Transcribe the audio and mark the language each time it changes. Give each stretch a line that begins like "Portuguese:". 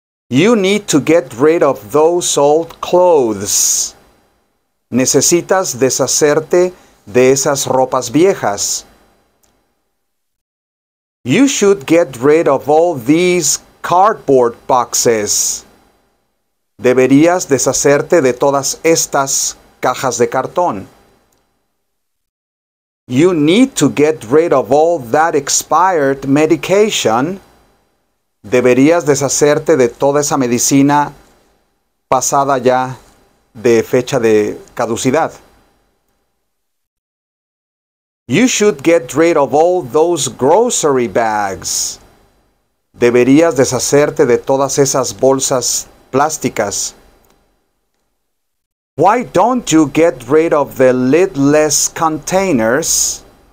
English: You need to get rid of those old clothes.
Spanish: Necesitas deshacerte de esas ropas viejas.
English: You should get rid of all these cardboard boxes.
Spanish: Deberías deshacerte de todas estas cajas de cartón.
English: You need to get rid of all that expired medication.
Spanish: Deberías deshacerte de toda esa medicina pasada ya de fecha de caducidad.
English: You should get rid of all those grocery bags.
Spanish: Deberías deshacerte de todas esas bolsas plásticas.
English: Why don't you get rid of the lidless containers?